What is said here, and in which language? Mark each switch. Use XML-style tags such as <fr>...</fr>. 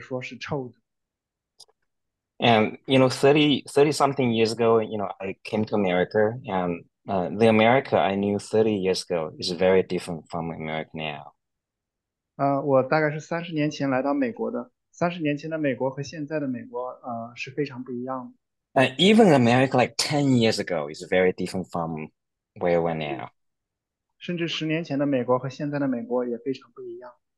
<zh>有一位非常有名的呼叫家，他说世界是一个糟糕的地方，优秀的人很多，但总的来说，人性基本上是恶的或者说是臭的。And</zh> <en>you know, 30 something years ago, you know, I came to America, and the America I knew 30 years ago is very different from America now.</en> <zh>我大概是30年前来到美国的，30年前的美国和现在的美国是非常不一样的。</zh> <en>And even America like 10 years ago is very different from where we're now.</en> <zh>甚至10年前的美国和现在的美国也非常不一样。</zh>